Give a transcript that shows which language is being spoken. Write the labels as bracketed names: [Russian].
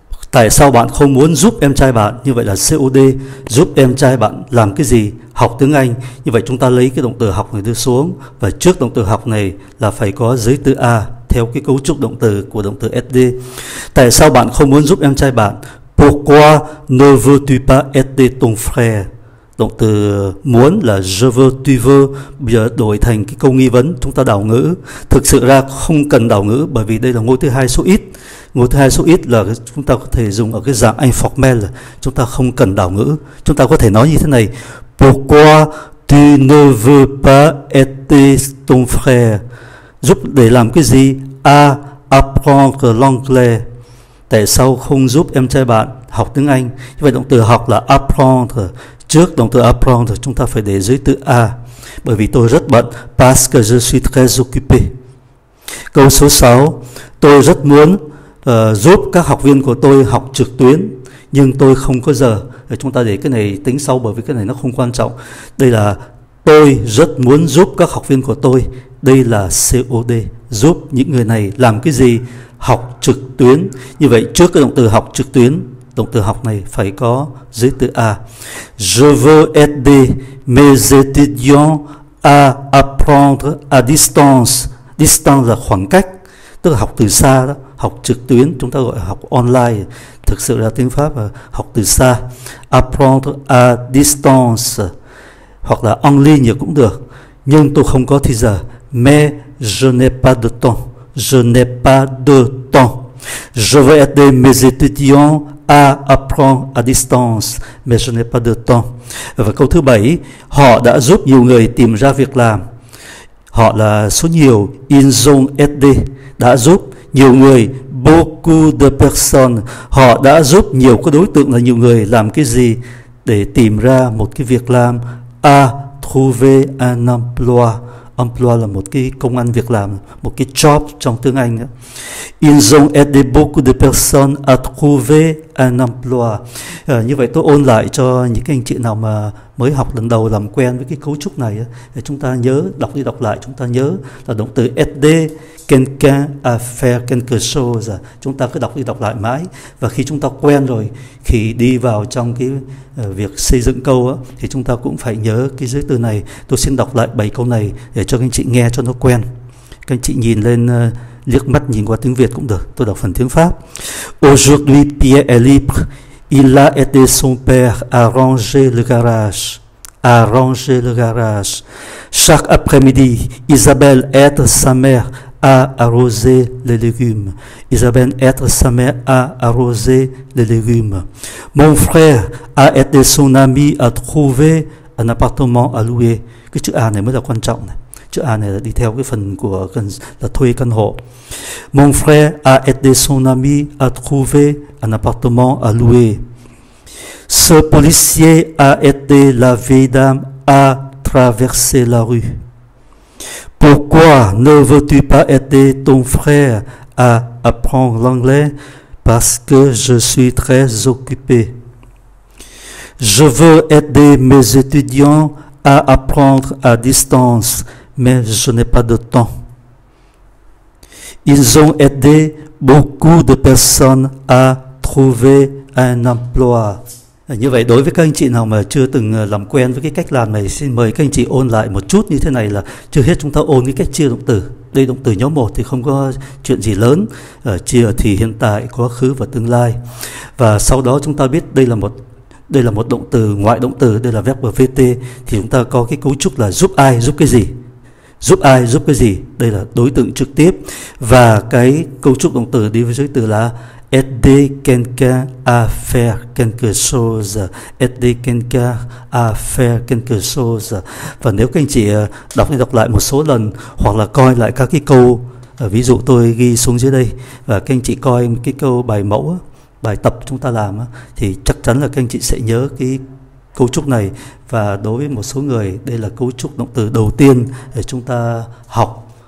[Vietnamese] Tại sao bạn không muốn giúp em trai bạn? Như vậy là COD, giúp em trai bạn làm cái gì? Học tiếng Anh. Như vậy chúng ta lấy cái động từ học này đưa xuống. Và trước động từ học này là phải có giới từ A, theo cái cấu trúc động từ của động từ SD. Tại sao bạn không muốn giúp em trai bạn? [French] Pourquoi ne veux-tu pas aider ton frère? [Vietnamese] Động từ muốn là [French] je veux, tu veux, [Vietnamese] bây giờ đổi thành cái câu nghi vấn, chúng ta đảo ngữ. Thực sự ra không cần đảo ngữ bởi vì đây là ngôi thứ hai số ít. Ngôi thứ hai số ít là chúng ta có thể dùng ở cái dạng informel, chúng ta không cần đảo ngữ. Chúng ta có thể nói như thế này: [French] pourquoi tu ne veux pas aider ton frère? [Vietnamese] Giúp để làm cái gì? [French] A, apprendre l'anglais. [Vietnamese] Tại sao không giúp em trai bạn học tiếng Anh? Như vậy động từ học là apprendre. Trước động từ apprendre chúng ta phải để dưới từ A. Bởi vì tôi rất bận. [French] Parce que je suis très occupé. [Vietnamese] Câu số 6. Tôi rất muốn giúp các học viên của tôi học trực tuyến. Nhưng tôi không có giờ. Chúng ta để cái này tính sau bởi vì cái này nó không quan trọng. Đây là tôi rất muốn giúp các học viên của tôi. Đây là COD. Giúp những người này làm cái gì? Học trực tuyến. Như vậy trước cái động từ học trực tuyến, động từ học này phải có giới từ A. [French] Je veux aider mes étudiants à apprendre à distance. [Vietnamese] Distance là khoảng cách, tức là học từ xa đó. Học trực tuyến, chúng ta gọi là học online. Thực sự là tiếng Pháp là học từ xa. [French] Apprendre à distance. [Vietnamese] Hoặc là [French] en ligne [Vietnamese] cũng được. Nhưng tôi không có thời giờ. [French] Mais je n'ai pas de temps. Je n'ai pas de temps. Je veux aider mes étudiants à apprendre à distance, mais je n'ai pas de temps. [Vietnamese] Và câu thứ 7, họ đã giúp nhiều người tìm ra việc làm. Họ là số nhiều, [French] ils ont aidé, [Vietnamese] đã giúp nhiều người, [French] beaucoup de personnes. [Vietnamese] Họ đã giúp nhiều cái đối tượng là nhiều người làm cái gì? Để tìm ra một cái việc làm, [French] à trouver un emploi. [Vietnamese] Emploi là một cái công ăn việc làm, một cái job trong tiếng Anh. [French] Ils ont aidé beaucoup de personnes à trouver un emploi. [Vietnamese] Như vậy tôi ôn lại cho những cái anh chị nào mà mới học lần đầu làm quen với cái cấu trúc này. Để chúng ta nhớ, đọc đi đọc lại, chúng ta nhớ là động từ [French] aider quelqu'un à faire quelque chose. [Vietnamese] Chúng ta cứ đọc đi đọc lại mãi. Và khi chúng ta quen rồi, khi đi vào trong cái việc xây dựng câu á, thì chúng ta cũng phải nhớ cái giới từ này. Tôi xin đọc lại 7 câu này để cho các anh chị nghe cho nó quen. Các anh chị nhìn lên, liếc mắt nhìn qua tiếng Việt cũng được. Tôi đọc phần tiếng Pháp. [French] Aujourd'hui Pierre est libre. Il a aidé son père à ranger le garage. À ranger le garage. Chaque après-midi, Isabelle aide sa mère à arroser les légumes. Isabelle aide sa mère à arroser les légumes. Mon frère a aidé son ami à trouver un appartement à louer. [Vietnamese] Cái chữ A này mới là quan trọng này. Chữ A này là đi theo cái phần của là thuê căn hộ. [French] Mon frère a aidé son ami à trouver un appartement à louer. Ce policier a aidé la vieille dame à traverser la rue. Pourquoi ne veux-tu pas aider ton frère à apprendre l'anglais? Parce que je suis très occupé. Je veux aider mes étudiants à apprendre à distance, mais je n'ai pas de temps. Ils ont aidé beaucoup de personnes à trouver un emploi. [Vietnamese] Như vậy đối với các anh chị nào mà chưa từng làm quen với cái cách làm này, xin mời các anh chị ôn lại một chút như thế này là trước hết chúng ta ôn cái cách chia động từ. Đây động từ nhóm 1 thì không có chuyện gì lớn, chia thì hiện tại, quá khứ và tương lai. Và sau đó chúng ta biết đây là một động từ, ngoại động từ, đây là verb VT, thì chúng ta có cái cấu trúc là giúp ai, giúp cái gì. Giúp ai, giúp cái gì, đây là đối tượng trực tiếp. Và cái cấu trúc động từ đi với giới từ là [French] aider quelqu'un à faire quelque chose, aider quelqu'un à faire quelque chose. [Vietnamese] Và nếu các anh chị đọc đi đọc lại một số lần hoặc là coi lại các cái câu, ví dụ tôi ghi xuống dưới đây và các anh chị coi cái câu bài mẫu, bài tập chúng ta làm thì chắc chắn là các anh chị sẽ nhớ cái cấu trúc này. Và đối với một số người, đây là cấu trúc động từ đầu tiên để chúng ta học.